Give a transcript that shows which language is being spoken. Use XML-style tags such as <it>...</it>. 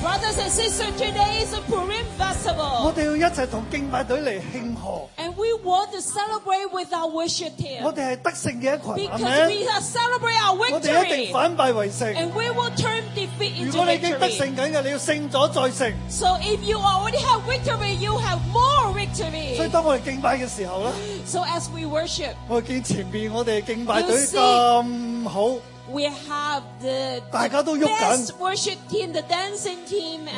<en>Brothers and sisters, today is a Purim festival.</en> <yue>我哋要一齐同敬拜队嚟庆贺。</yue> <en>And we want to celebrate with our worship team.</en> <yue>我哋系得胜嘅一群。</yue> <en>Because we have celebrate our victory.</en> <yue>我哋一定反败为胜。</yue> <en>And we will turn defeat into victory.</en> <yue>如果你已经得胜紧嘅，你要胜咗再胜。</yue> <en>So if you already have victory, you have more victory.</en> <yue>所以当我哋敬拜嘅时候咧</yue> <en>，So as we worship,</en> <yue>我见前边我哋敬拜队咁好。</yue> <en>We have the</en> <yue>大家都</yue> <en>動 best worship team, the dancing team, and</en>